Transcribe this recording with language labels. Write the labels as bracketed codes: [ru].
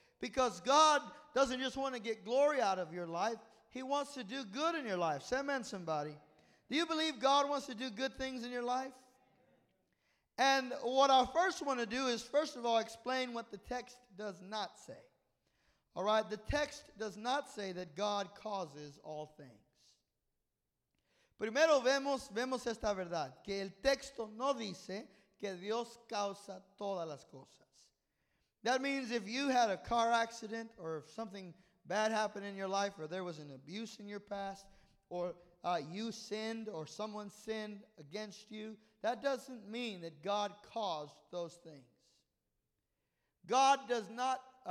[en] Because God doesn't just want to get glory out of your life, he wants to do good in your life. Say amen, somebody. Do you believe God wants to do good things in your life? And what I first want to do is first of all explain what the text does not say. All right, the text does not say that God causes all things. [es] Primero vemos esta verdad, que el texto no dice que Dios causa todas las cosas. [en] That means if you had a car accident or if something bad happened in your life or there was an abuse in your past or you sinned or someone sinned against you, that doesn't mean that God caused those things. God does not.